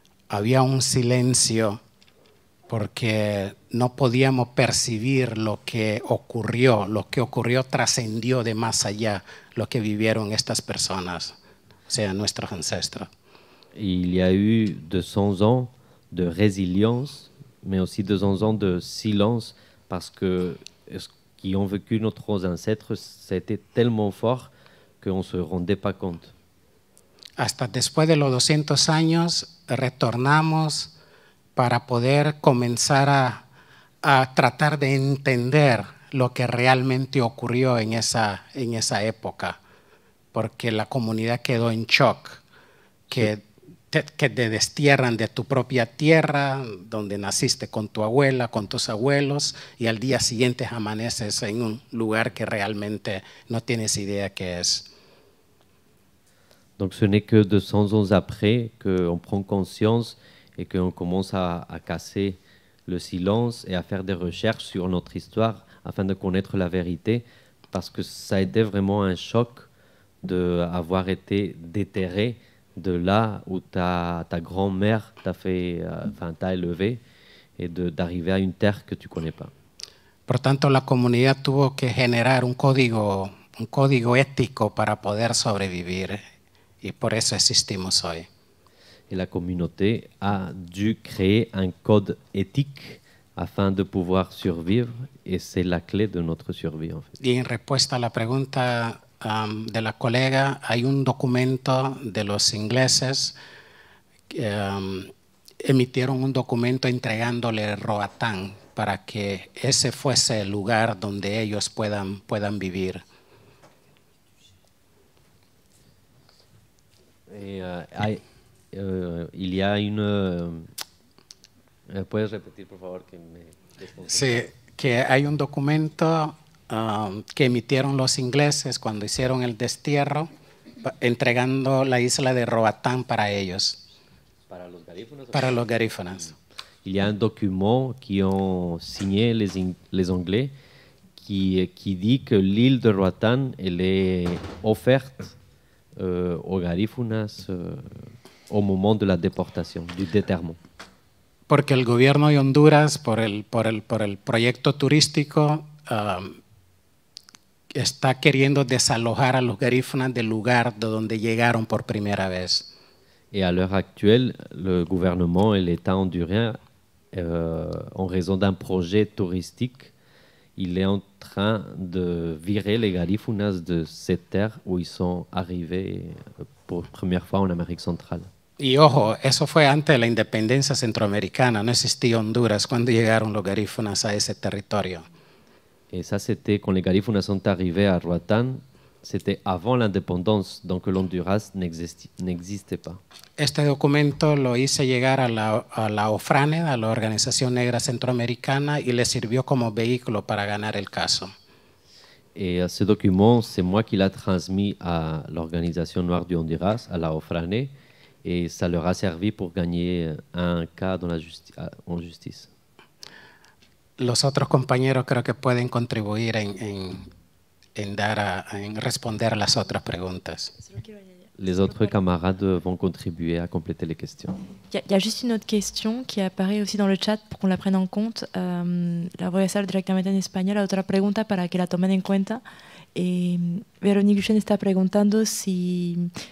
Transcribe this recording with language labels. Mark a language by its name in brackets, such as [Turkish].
[Spanish] Había un silencio porque no podíamos percibir lo que ocurrió. Lo que ocurrió trascendió de más allá lo que vivieron estas personas, o sea, nuestros ancestros. [French] Il y a eu 200 ans de résilience, mais aussi 200 ans de silence, parce que ce qui ont vécu nos ancêtres, c'était tellement fort qu'on ne se rendait pas compte. [Spanish] Hasta después de los 200 años, retornamos para poder comenzar a tratar de entender lo que realmente ocurrió en esa época, porque la comunidad quedó en shock, que te destierran de tu propia tierra, donde naciste con tu abuela, con tus abuelos, y al día siguiente amaneces en un lugar que realmente no tienes idea qué es. [French] Donc ce n'est que 200 ans après qu'on prend conscience et qu'on commence à casser le silence et à faire des recherches sur notre histoire afin de connaître la vérité, parce que ça a été vraiment un choc d'avoir été déterré de là où ta grand-mère t'a élevé et d'arriver à une terre que tu ne connais pas. [Spanish] Por tanto, la comunidad tuvo que generar un código ético para poder sobrevivir, y por eso existimos hoy. [French] Et la communauté a dû créer un code éthique afin de pouvoir survivre, et c'est la clé de notre survie, en fait. [Spanish] Y en respuesta a la pregunta de la colega, hay un documento de los ingleses que emitieron un documento entregándole Roatán para que ese fuese el lugar donde ellos puedan vivir. [French] Il y a une. [Spanish] Puedes repetir, por favor, que me. Sí, que hay un documento que emitieron los ingleses cuando hicieron el destierro, entregando la isla de Roatán para ellos. Para los garífunas. Para los garífunas. [French] Il y a un document qui ont signé les Anglais qui dit que l'île de Roatán elle est offerte aux garífunas. Au moment de la déportation, du déterrement. [Spanish] Porque el gobierno de Honduras, por el proyecto turístico, está queriendo desalojar a los garífunas del lugar de donde llegaron por primera vez. [French] Et à l'heure actuelle, le gouvernement et l'État hondurien, en raison d'un projet touristique, il est en train de virer les garífunas de cette terre où ils sont arrivés pour la première fois en Amérique centrale. [Spanish] Y ojo, eso fue antes de la independencia centroamericana. No existía Honduras cuando llegaron los garífunas a ese territorio. Y eso fue cuando los garífunas [French] son arrivés [Spanish] a Roatán. [French] C'était avant l'indépendance, donc l'Honduras n'existait pas. [Spanish] Este documento lo hice llegar a la OFRANE, a la Organización Negra Centroamericana, y le sirvió como vehículo para ganar el caso. [French] Et ce document, c'est moi qui l'a transmis à l'Organisation Noire du Honduras, à la OFRANE. Et ça leur a servi pour gagner un cas en justice. [Spanish] Los otros compañeros creo que pueden contribuir en responder las otras preguntas. [French] Les autres camarades vont contribuer à compléter les questions. Il y a juste une autre question qui apparaît aussi dans le chat pour qu'on la prenne en compte. [Spanish] La voy a hacer directamente en español. Otra pregunta para que la tomen en cuenta. Véronique Duchesne está preguntando si...